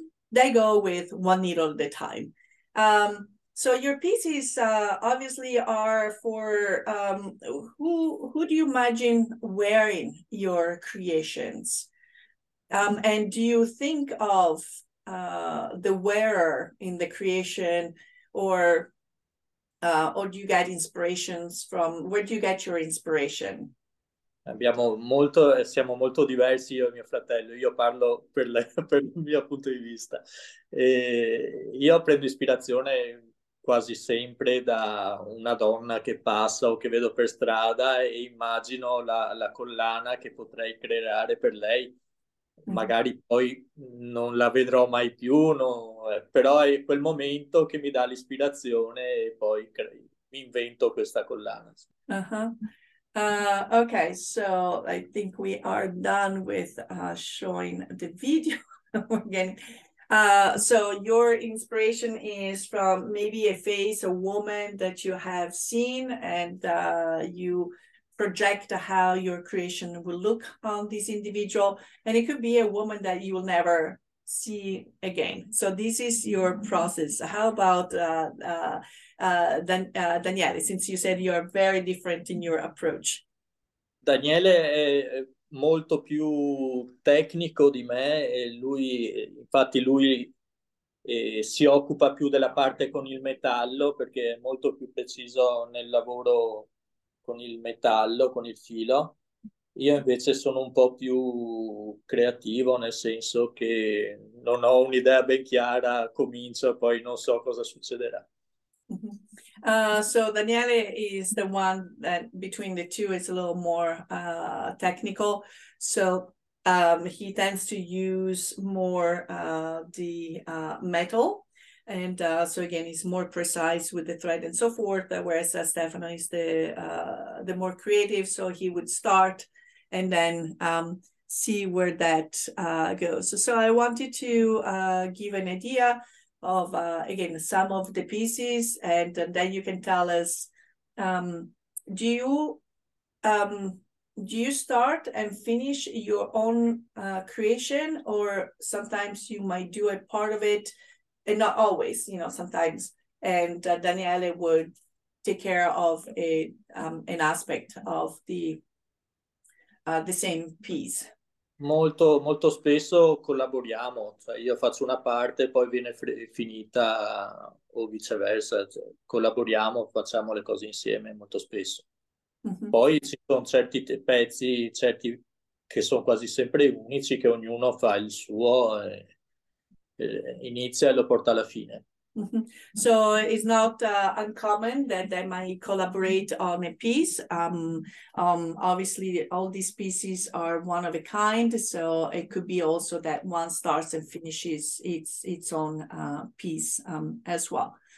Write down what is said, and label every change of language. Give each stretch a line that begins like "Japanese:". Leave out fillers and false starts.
English: They go with one needle at a time. So your pieces obviously are for who do you imagine wearing your creations? And do you think of the wearer in the creation, or do you get inspirations from where do you get your inspiration?
Italian: Siamo molto diversi io e mio fratello, io parlo per il mio punto di vista. E io prendo ispirazione quasi sempre da una donna che passa o che vedo per strada e immagino la collana che potrei creare per lei. Magari poi non la vedrò mai più, no? Però è quel momento che mi dà l'ispirazione e poi mi invento questa collana.
English: Okay, so I think we are done with showing the video again. So your inspiration is from maybe a face, a woman that you have seen, and you project how your creation will look on this individual, and it could be a woman that you will never see again. So this is your process. How about Daniele, since you said you are very different in your approach?
Italian: Daniele è molto più tecnico di me e infatti lui si occupa più della parte con il metallo perché è molto più preciso nel lavoro con il metallo, con il filo. Io invece sono un po' più creativo, nel senso che non ho un'idea ben chiara, comincio e poi non so cosa succederà.
English: So Daniele is the one that between the two is a little more technical. So he tends to use more the metal, and so again he's more precise with the thread and so forth. Whereas Stefano is the more creative, so he would start and then see where that goes. So I wanted to give an idea of again some of the pieces, and then you can tell us, do you start and finish your own creation, or sometimes you might do a part of it and not always, sometimes, and Daniele would take care of a an aspect of the same piece.
Italian: Molto, molto spesso collaboriamo, cioè io faccio una parte, poi viene finita o viceversa, cioè collaboriamo, facciamo le cose insieme molto spesso. Poi ci sono certi pezzi, certi che sono quasi sempre unici, che ognuno fa il suo e inizia e lo porta alla fine.
English: So it's not uncommon that they might collaborate on a piece. Obviously, all these pieces are one of a kind, so it could be also that one starts and finishes its own piece as well.